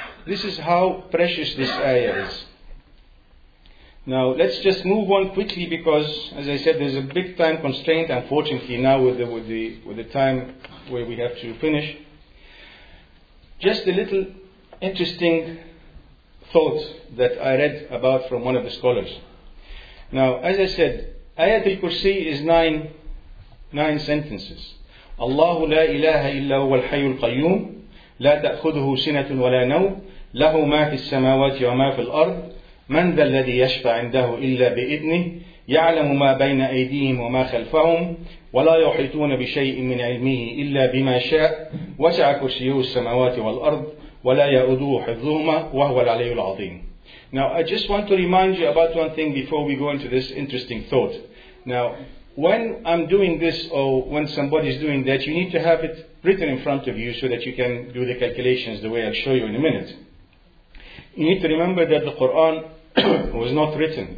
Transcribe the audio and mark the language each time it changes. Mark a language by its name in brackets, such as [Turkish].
[English] This is how precious this ayah is. Now, let's just move on quickly because, as I said, there's a big time constraint, unfortunately, now with the time where we have to finish. Just a little interesting thought that I read about from one of the scholars. Now, as I said, Ayat al-Kursi is nine sentences. [Arabic] الله لا إله إلا هو الحي القيوم لا تأخذه سنة ولا نوم له ما في السماوات وما في الأرض من ذا الذي يشفع عنده إلا بإذنه يعلم ما بين أيديهم وما خلفهم ولا يحيطون بشيء من علمه إلا بما شاء وسع كرسيه السماوات والأرض ولا يؤذوه حفظهما وهو العلي العظيم. [English] Now I just want to remind you about one thing before we go into this interesting thought. Now when I'm doing this or when somebody's doing that, you need to have it written in front of you so that you can do the calculations the way I'll show you in a minute. You need to remember that the Quran was not written.